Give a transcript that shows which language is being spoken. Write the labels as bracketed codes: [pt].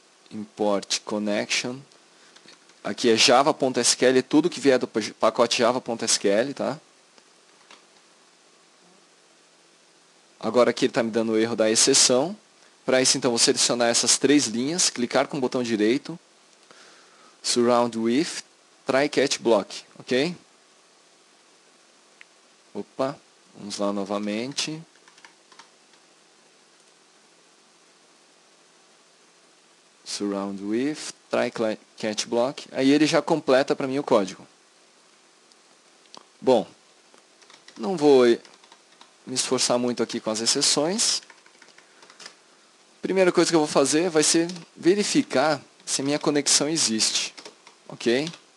[pt] Import connection. Aqui é java.sql, é tudo que vier do pacote java.sql, tá? Agora aqui ele está me dando o erro da exceção. Para isso, então, vou selecionar essas três linhas, clicar com o botão direito. [en] Surround with try-catch block, ok? [pt] Opa, vamos lá novamente. [en] Surround with try-catch block. [pt] Aí ele já completa para mim o código. Bom, não vou me esforçar muito aqui com as exceções. Primeira coisa que eu vou fazer vai ser verificar se a minha conexão existe. Ok?